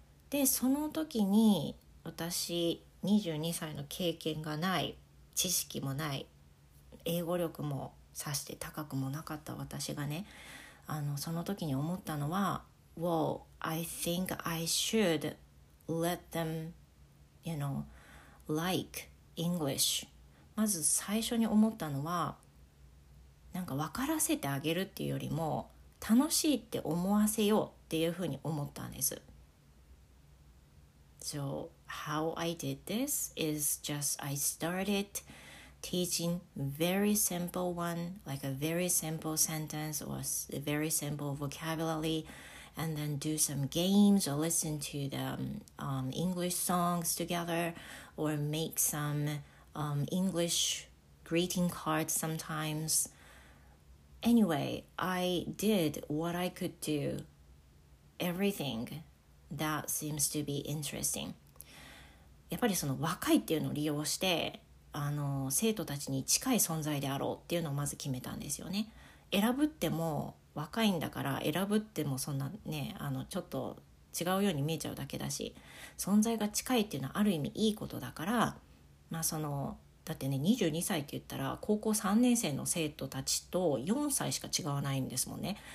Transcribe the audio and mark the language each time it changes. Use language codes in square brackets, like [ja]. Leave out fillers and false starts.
[ja] でその時に私22歳の経験がない、知識もない、英語力もさして高くもなかった私がね、その時に思ったのは、 [en] Well, I think I should let them, you know, like English。 [ja] まず最初に思ったのは、なんか分からせてあげるっていうよりも楽しいって思わせようっていうふうに思ったんです。 [en] So how I did this is just I started teaching very simple one, like a very simple sentence or a very simple vocabulary, and then do some games or listen to the English songs together, or make some English greeting cards sometimes. Anyway, I did what I could do, everything. That seems to be interesting. [ja] やっぱりその若いっていうのを利用して生徒たちに近い存在であろうっていうのをまず決めたんですよね。選ぶっても若いんだから、選ぶってもそんなね、ちょっと違うように見えちゃうだけだし、存在が近いっていうのはある意味いいことだから、まあそのだってね、22歳って言ったら高校3年生の生徒たちと4歳しか違わないんですもんね。